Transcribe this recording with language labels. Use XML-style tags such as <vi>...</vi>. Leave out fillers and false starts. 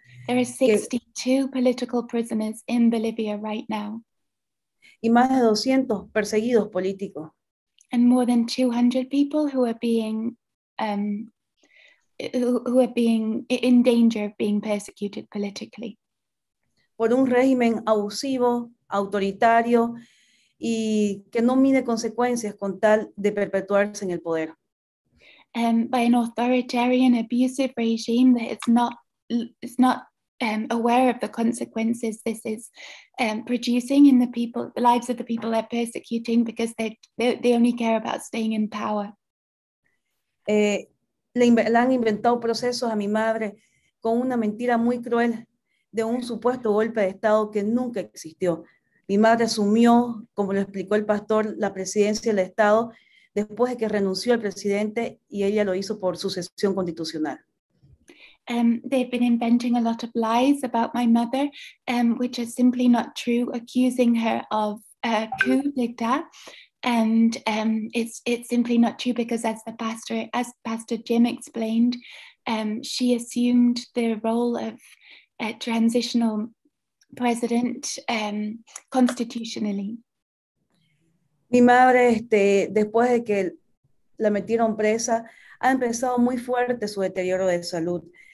<en>There are 62 political prisoners in Bolivia right now.</en> <es>Y más de 200 perseguidos políticos.</es> <en>And more than 200 people who are being, in danger of being persecuted politically.</en> <es>Por un régimen abusivo, autoritario, y que no mide consecuencias con tal de perpetuarse en el poder.</es> <en>by an authoritarian abusive regime that is not aware of the consequences this is producing in the lives of the people they're persecuting, because they only care about staying in power.</en> <es>Le han inventado procesos a mi madre con una mentira muy cruel de un supuesto golpe de Estado que nunca existió. Mi madre asumió, como lo explicó el pastor, la presidencia del Estado después de que renunció el presidente, y ella lo hizo por sucesión constitucional.</es> <en>They've been inventing a lot of lies about my mother, which are simply not true, accusing her of a coup d'etat. And it's simply not true, because as Pastor Jim explained, she assumed the role of a transitional president constitutionally.</en> <es>Mi madre, después de que la metieron presa, ha empezado muy fuerte su deterioro de salud.</es>